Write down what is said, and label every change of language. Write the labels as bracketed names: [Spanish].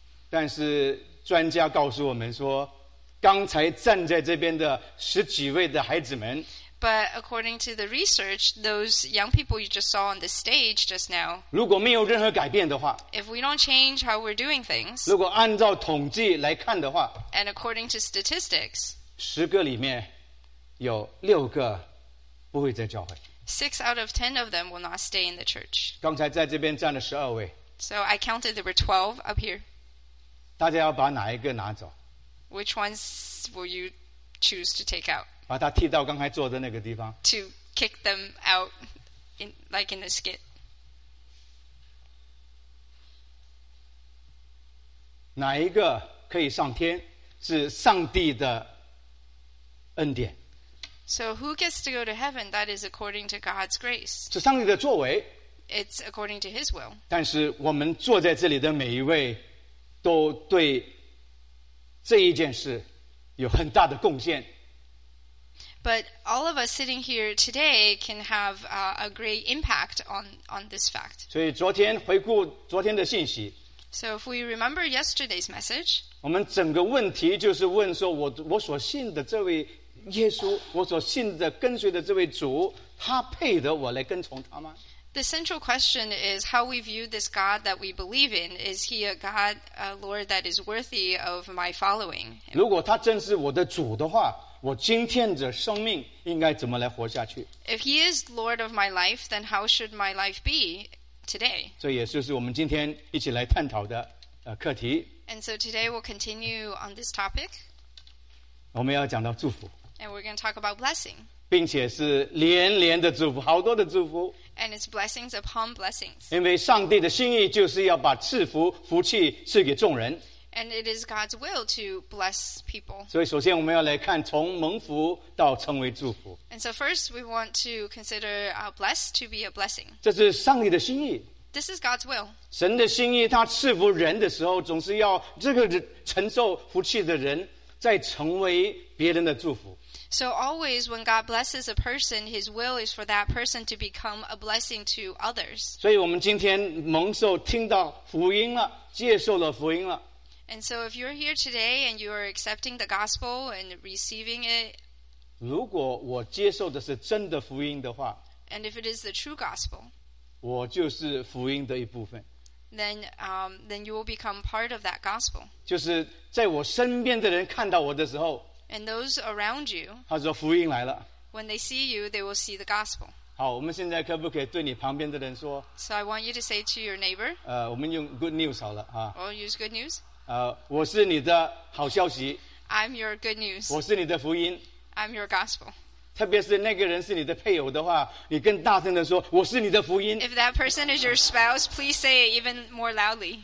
[Chinese] 但是专家告诉我们说，刚才站在这边的十几位的孩子们。 [English] But according to the research, those young people you just saw on the stage just now, [Chinese] 如果没有任何改变的话, [English] if we don't change how we're doing things, [Chinese] 如果按照统计来看的话, [English] and according to statistics, [Chinese] 10个里面有6个不会在教会, [English] 6 out of 10 of them will not stay in the church. [Chinese] 刚才在这边站了12位。 [English] So I counted there were 12 up here. [Chinese] 大家要把哪一个拿走？ [English] Which ones will you choose to take out? [Chinese] 把他踢到刚才坐的那个地方。 [English] To kick them out in, like in a skit. [Chinese] 哪一个可以上天是上帝的恩典 [English] So who gets to go to heaven? That is according to God's grace. [Chinese] 是上帝的作为 [English] It's according to his will. [Chinese] 但是我们坐在这里的每一位都对这一件事有很大的贡献 [English] But all of us sitting here today can have a great impact on this fact. [Chinese] 所以昨天回顾昨天的信息 [English] So if we remember yesterday's message, [Chinese] 我们整个问题就是问说我所信的这位耶稣，我所信的跟随的这位主，他配得我来跟从他吗？ [English] The central question is how we view this God that we believe in. Is he a God, a Lord that is worthy of my following? [Chinese] 如果他真是我的主的话，我今天的生命应该怎么来活下去？ [English] If he is Lord of my life, then how should my life be? Today. [Chinese] 这也就是我们今天一起来探讨的课题。 [English] And so today we'll continue on this topic. [Chinese] 我们要讲到祝福。 [English] And we're going to talk about blessing. [Chinese] 并且是连连的祝福，好多的祝福。 [English] And it's blessings upon blessings. [Chinese] 因为上帝的心意就是要把赐福、福气赐给众人。 [English] And it is God's will to bless people. [Chinese] 所以首先我们要来看从蒙福到成为祝福。 [English] And so first we want to consider our blessed to be a blessing. [Chinese] 这是上帝的心意。 [English] This is God's will. [Chinese] 神的心意他赐福人的时候总是要这个承受福气的人再成为别人的祝福。 [English] So always when God blesses a person, his will is for that person to become a blessing to others. [Chinese] 所以我们今天蒙受听到福音了接受了福音了。 [English] And so if you're here today and you are accepting the gospel and receiving it, [Chinese] 如果我接受的是真的福音的话, [English] and if it is the true gospel, [Chinese] 我就是福音的一部分, [English] then you will become part of that gospel. [Chinese] 就是在我身边的人看到我的时候, [English] and those around you, [Chinese] 他说福音来了, [English] when they see you, they will see the gospel. [Chinese] 好,我们现在可不可以对你旁边的人说, [English] so I want you to say to your neighbor, [Chinese] 我们用 [English] good news [Chinese] 好了, [English] we'll use good news. [Chinese] 我是你的好消息 [English] I'm your good news [Chinese] 我是你的福音 [English] I'm your gospel [Chinese] 特别是那个人是你的配偶的话你更大声地说我是你的福音 [English] If that person is your spouse please say it even more loudly